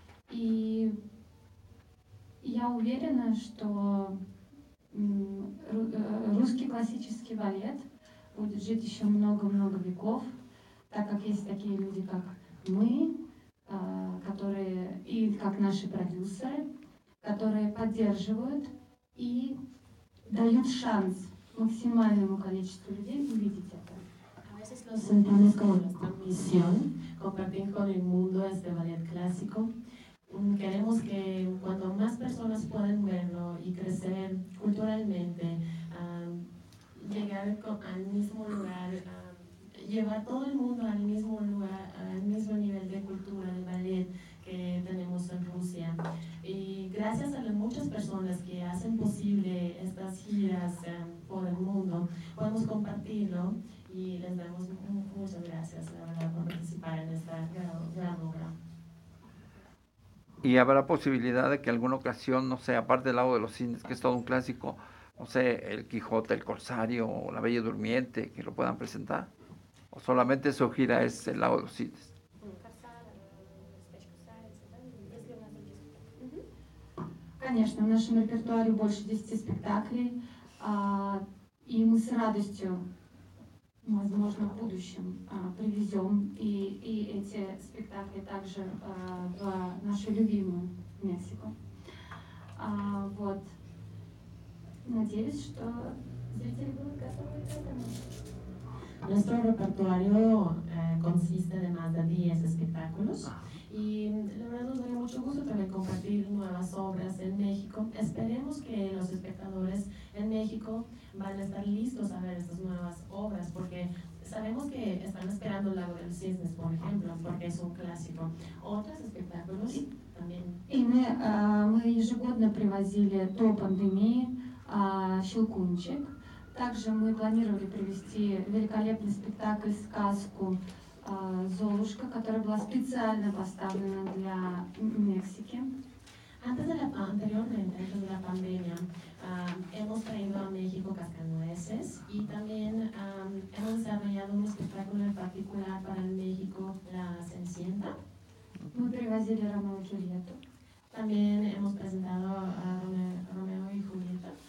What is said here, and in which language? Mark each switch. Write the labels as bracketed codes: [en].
[ru] И я уверена, что русский классический балет будет жить еще много-много веков, так как есть такие люди, как мы, которые, и как наши продюсеры, которые поддерживают и дают шанс максимальному количеству людей увидеть это. [es] Nos sentimos como nuestra misión compartir con el mundo este ballet clásico. Queremos que cuando más personas puedan verlo y crecer culturalmente, llegar al mismo lugar, llevar todo el mundo al mismo lugar, al mismo nivel de cultura, de ballet que tenemos en Rusia. Y gracias a las muchas personas que hacen posible estas giras por el mundo, podemos compartirlo. Y les damos muchas gracias, la verdad, por participar en esta gran obra. ¿Y habrá posibilidad de que alguna ocasión, no sé, aparte del Lago de los Cisnes, que es todo un clásico, no sé, el Quijote, el Corsario, o la Bella Durmiente, que lo puedan presentar? ¿O solamente su gira es el Lago de los Cisnes? [ru] Конечно, в нашем репертуаре больше 10 спектаклей, и мы с радостью, возможно, в будущем привезем и эти спектакли также в нашу любимую Мексику. Вот. Надеюсь, что зрители будут готовы к этому. [es] Nuestro repertorio consiste de más de 10 espectáculos y la verdad nos da mucho gusto también compartir nuevas obras en México. Esperemos que los espectadores en México van a estar listos a ver estas nuevas obras porque sabemos que están esperando El Lago de los Cisnes, por ejemplo, porque es un clásico. Otros espectáculos también. [ru] Y мы ежегодно привозили до пандемии Щелкунчик. Также мы планировали привести великолепный спектакль-сказку «Золушка», которая была специально поставлена для Мексики. [es] Antes de la pandemia, hemos traído a México Cascanueces y también hemos desarrollado un espectáculo en particular para el México, La Cenicienta. [ru] Мы привозили Ромео и Джульетту. [es] También hemos presentado a Ромео и Джульетта.